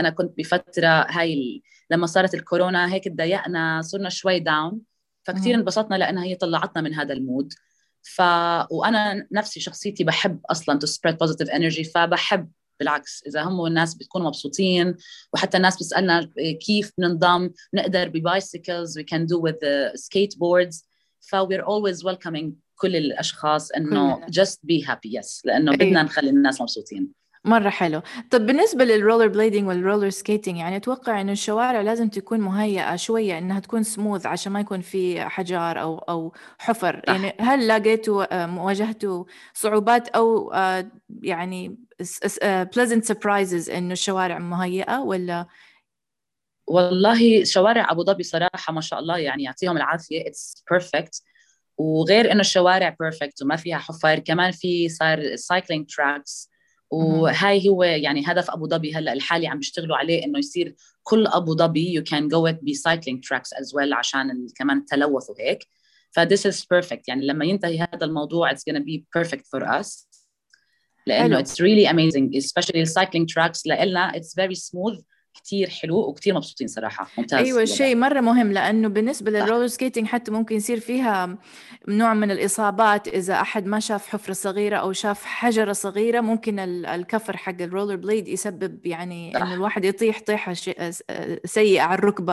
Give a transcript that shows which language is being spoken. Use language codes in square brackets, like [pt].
[ar] أنا كنت بفترة هاي لما صارت الكورونا هيك تضايقنا، صرنا شوي داون، فكتير انبسطنا لأنها هي طلعتنا من هذا المود. وأنا نفسي شخصيتي بحب أصلاً [en] to spread positive energy، [ar] فبحب بالعكس إذا هم والناس بتكونوا مبسوطين. وحتى الناس بسألنا كيف ننضم، نقدر ببايسيكلز، [en] we can do with the skateboards. [ar] ف [en] we're always welcoming [ar] كل الأشخاص إنه [en] just be happy. yes. [ar] لأنه بدنا نخلي الناس مبسوطين. مرة حلو. طب بالنسبة للرولر بليدينج والرولر سكيتينج، يعني أتوقع إنه الشوارع لازم تكون مهيئة شوية إنها تكون سموث عشان ما يكون في حجار أو حفر. يعني هل لقيتوا واجهتوا صعوبات أو يعني [en] pleasant surprises [ar] إنه الشوارع مهيئة ولا؟ والله شوارع أبوظبي صراحة ما شاء الله يعني يعطيهم العافية، [en] it's perfect. [ar] وغير إنه الشوارع perfect وما فيها حفر، كمان في صار cycling tracks. وهاي هو يعني هدف أبو ظبي هلأ الحالي عم بيشتغلوا عليه، إنه يصير كل أبو ظبي [en] you can go it bicycling tracks as well [ar] عشان كمان التلوث وهيك. [en] ف this is perfect [ar] يعني لما ينتهي هذا الموضوع [en] it's gonna be perfect for us لأنه it's really amazing especially the cycling tracks. [ar] لإلنا [en] it's very smooth، [ar] كتير حلو وكتير مبسوطين صراحة. ممتاز. أيوة شيء مرة مهم لأنه بالنسبة للرولر سكيتينج حتى ممكن يصير فيها نوع من الإصابات إذا أحد ما شاف حفرة صغيرة أو شاف حجرة صغيرة، ممكن الكفر حق الرولر بليد يسبب يعني أن الواحد يطيح طيحة سيئة على الركبة.